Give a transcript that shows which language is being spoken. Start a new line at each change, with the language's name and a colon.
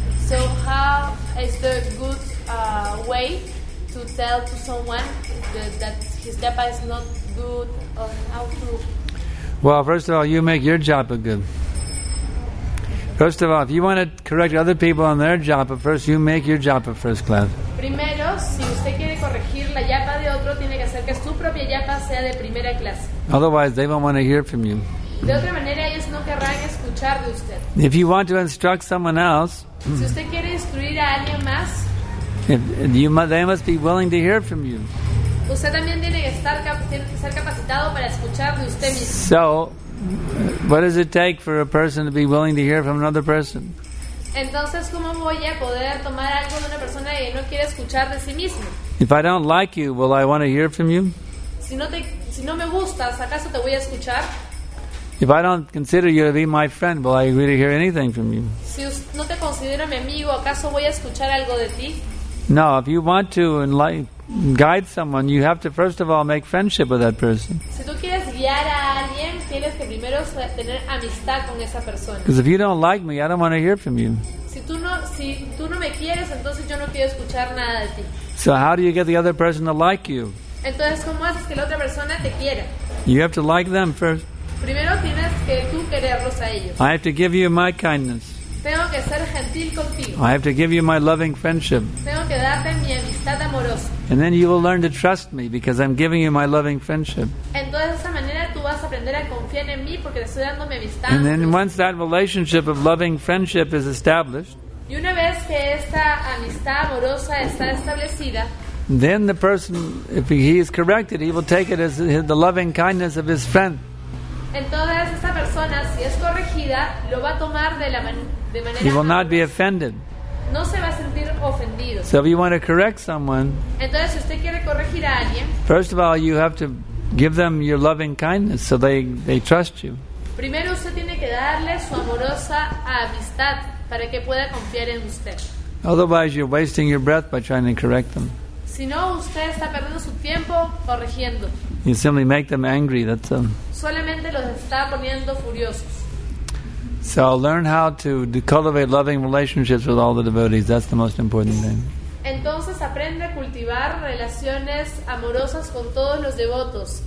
English: So how is the good way to tell to someone that his japa is not good, or how to? Well, first of all, you make your japa good. First of all, if you want to correct other people on their japa, first you make your japa first class.
Spanish: Primero, si usted quiere corregir la japa de otro, tiene que hacer que su propia japa sea de primera clase.
English: Otherwise, they won't want to hear from you.
Spanish: De otra manera, ellos no querrán escuchar de usted.
English: If you want to instruct someone else,
Spanish: si usted quiere instruir a alguien más,
English: they must be willing to hear from you.
Spanish: Usted también tiene que ser capacitado para escuchar de usted mismo.
English: So, what does it take for a person to be willing to hear from another person?
Spanish: Entonces, ¿cómo voy a poder tomar algo de una persona que no quiere escuchar de sí mismo?
English: If I don't like you, will I want to hear from you?
Spanish: Si no me gustas, ¿acaso te voy a escuchar?
English: If I don't consider you to be my friend, will I agree to hear anything from you?
Spanish: Si no te considero mi amigo, ¿acaso voy a escuchar algo de ti?
English: No, if you want to guide someone, you have to first of all make friendship with that person.
Spanish: Si tú quieres guiar a alguien, tienes que primero tener amistad con esa persona.
English: Because if you don't like me, I don't want to hear from you.
Spanish: Si tú no me quieres, entonces yo no quiero escuchar nada de ti.
English: So how do you get the other person to like you?
Spanish: Entonces, ¿cómo haces que la otra persona te quiera?
English: You have to like them first.
Spanish: Primero tienes que tú quererlos a ellos.
English: I have to give you my kindness.
Spanish: Tengo que ser gentil contigo.
English: I have to give you my loving friendship.
Spanish: Tengo que darte mi amistad amorosa.
English: And then you will learn to trust me because I'm giving you my loving friendship.
Spanish: Entonces, de esa manera tú vas a aprender a confiar en mí porque te estoy dando mi amistad.
English: And then once that relationship of loving friendship is established,
Spanish: y una vez que esta amistad amorosa está establecida,
English: then the person, if he is corrected, he will take it as the loving kindness of his friend.
Spanish: Entonces esta persona, si es corregida, lo va a tomar de manera.
English: He will not be offended.
Spanish: No se va a sentir ofendido.
English: So if you want to correct someone,
Spanish: entonces si usted quiere corregir a alguien,
English: first of all you have to give them your loving kindness so they trust you.
Spanish: Primero usted tiene que darle su amorosa amistad para que pueda confiar en usted.
English: Otherwise you're wasting your breath by trying to correct them.
Spanish: Si no, usted está perdiendo su tiempo corrigiendo.
English: You simply make them angry. That's
Spanish: solamente los está poniendo furiosos.
English: So learn how to cultivate loving relationships with all the devotees. That's the most important thing.
Spanish: Entonces aprende a cultivar relaciones amorosas con todos los devotos.